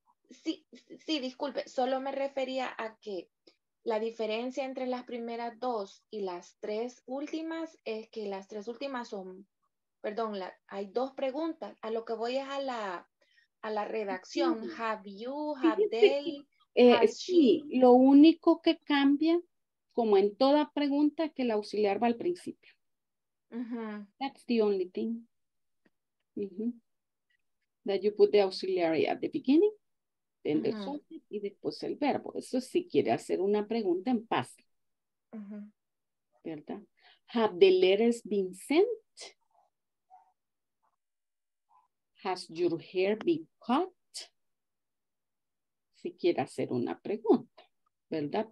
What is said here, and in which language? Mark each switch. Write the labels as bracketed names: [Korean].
[Spanish] Sí, sí, disculpe, solo me refería a que la diferencia entre las primeras dos y las tres últimas es que las tres últimas son, perdón, hay dos preguntas. A lo que voy es a la redacción. [English] Sí. Have you, have sí, they, [Spanish] sí. Sí, lo único que cambia, como en toda pregunta, es que el auxiliar va al principio. Uh-huh. [English] That's the only thing. Uh-huh. That you put the auxiliary at the beginning. Then the subject, [Spanish] y después el verbo. Eso es si quiere hacer una pregunta en pasado. [English] ¿Verdad? Have the letters been sent? Has your hair been cut? [Spanish] Si quiere hacer una pregunta, ¿verdad?